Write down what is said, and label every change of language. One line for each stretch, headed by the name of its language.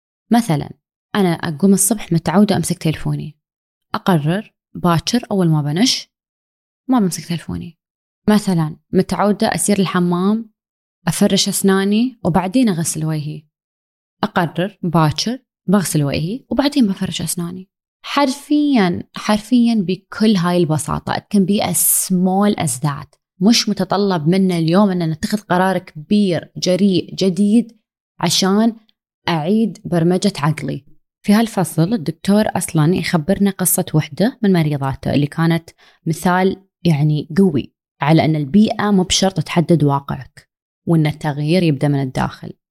Arabic: مثلا أنا أقوم الصبح متعودة أمسك تلفوني، أقرر باكر أول ما بنش ما بمسك تلفوني. مثلا متعودة أسير الحمام أفرش أسناني وبعدين أغسل وجهي، أقرر باكر بغسل وجهي وبعدين بفرش أسناني. حرفيا حرفيا بكل هاي البساطة،
English: it can be as small as that.
Arabic: مش متطلب منا اليوم أن نتخذ قرار كبير جريء جديد عشان أعيد برمجة عقلي. في هالفصل الدكتور أصلا يخبرنا قصة وحدة من مريضاته اللي كانت مثال يعني قوي على أن البيئة مو بشرط تحدد واقعك وأن التغيير يبدأ من الداخل.